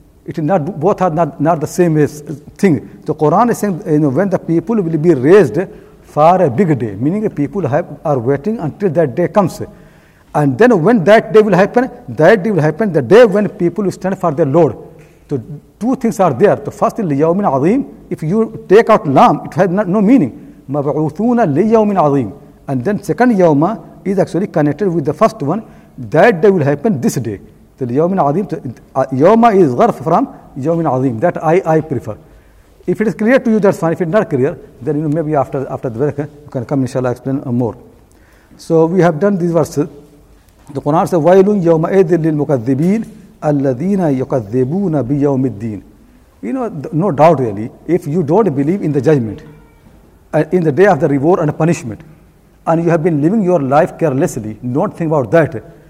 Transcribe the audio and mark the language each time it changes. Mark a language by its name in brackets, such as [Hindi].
[English] It is not, both are not the same thing. The Quran is saying, you know, when the people will be raised for a big day, meaning people are waiting until that day comes, and then when that day will happen the day when people will stand for their Lord. So two things are there. So first, ليوم عظيم, if you take out lam, it has no meaning. [Arabic] مبعوثون ليوم عظيم. [English] And then second, يوم is actually connected with the first one. That day will happen this day. So ليوم عظيم, يوم is غرف from يوم عظيم. That I prefer. If it is clear to you, that's fine. If it's not clear, then you know, maybe after the break, you can come, inshallah, explain more. So we have done these verses. The Quran says, [Arabic] وَيْلٌ يَوْمَئِذٍ لِلْمُكَذِّبِينَ الَّذِينَ يُكَذِّبُونَ بِيَوْمِ الدِّينِ. [English] You know, no doubt really, if you don't believe in the judgment, in the day of the reward and punishment, and you have been living your life carelessly, don't think about that.